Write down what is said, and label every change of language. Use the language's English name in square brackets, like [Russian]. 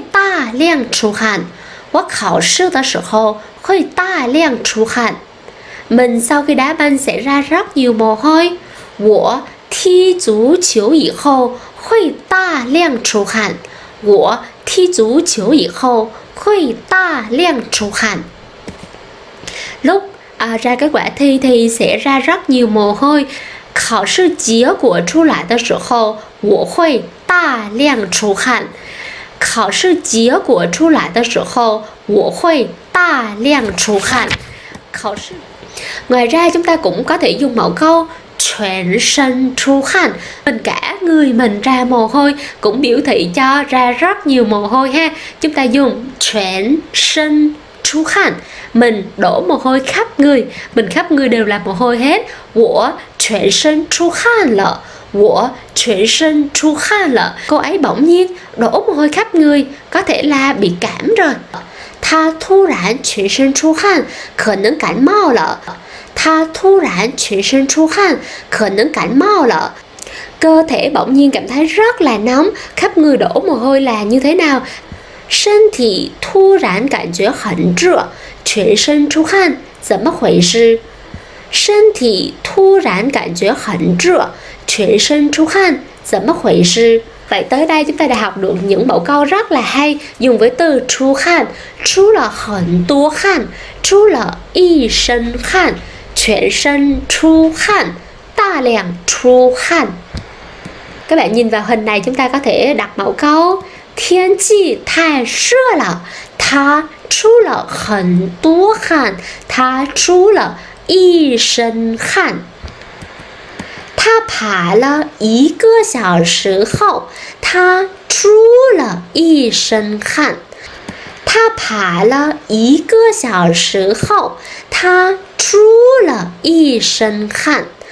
[Chinese] 我考试的时候会大量出汗.我考试的时候会大量出汗. [Vietnamese] Mình sau khi đá banh sẽ ra rất nhiều mồ hôi. [Chinese] 我踢足球以后会大量出汗. 我踢足球以后会大量出汗. [Vietnamese] Lúc ra kết quả thi thì sẽ ra rất nhiều mồ hôi. [Chinese] 考试结果出来的时候我会大量出汗. 考试结果出来的时候我会大量出汗. [Vietnamese] Ngoài ra chúng ta cũng có thể dùng mẫu câu 全身出汗. Mình cả người mình ra mồ hôi cũng biểu thị cho ra rất nhiều mồ hôi ha. Chúng ta dùng 全身出汗. Mình đổ mồ hôi khắp người. Mình khắp người đều là mồ hôi hết. [Chinese] 我全身出汗了. 我全身出汗了. [Vietnamese] Cô ấy bỗng nhiên đổ mồ hôi khắp người, có thể là bị cảm rồi. [Chinese] 他突然全身出汗, 可能感冒了. 他突然全身出汗, 可能感冒了. [Vietnamese] Cơ thể bỗng nhiên cảm thấy rất là nóng, khắp người đổ mồ hôi là như thế nào? [Chinese] 身体突然感觉很热, 全身出汗, 怎么回事? 身体突然感觉很热, 全身出汗, 怎么回事? [Vietnamese] Vậy tới đây chúng ta đã học được những mẫu câu rất là hay dùng với từ [Chinese] 出汗, 出了很多汗, 出了一身汗, 全身出汗, 大量出汗. [Vietnamese] Các bạn nhìn vào hình này chúng ta có thể đặt mẫu câu [Chinese] 天气太热了, 他出了很多汗, 他出了一身汗. 他爬了一个小时后，他出了一身汗。他爬了一个小时后，他出了一身汗。